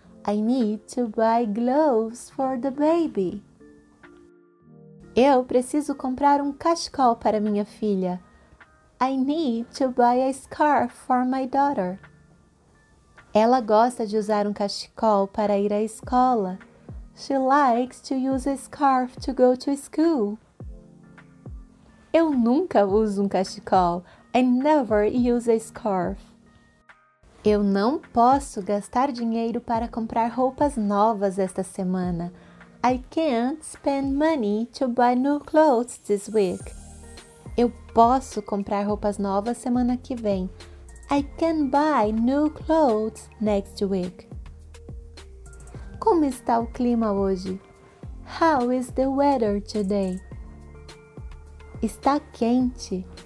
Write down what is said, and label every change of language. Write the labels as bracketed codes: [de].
[en] I need to buy gloves for the baby. [pt] Eu preciso comprar um cachecol para minha filha. [en] I need to buy a scarf for my daughter. [pt] Ela gosta de usar um cachecol para ir à escola. [en] She likes to use a scarf to go to school. [pt] Eu nunca uso um cachecol. [en] I never use a scarf. [pt] Eu não posso gastar dinheiro para comprar roupas novas esta semana. [en] I can't spend money to buy new clothes this week. [pt] Eu posso comprar roupas novas semana que vem. [en] I can buy new clothes next week. [pt] Como está o clima hoje? [en] How is the weather today? [pt] Está quente.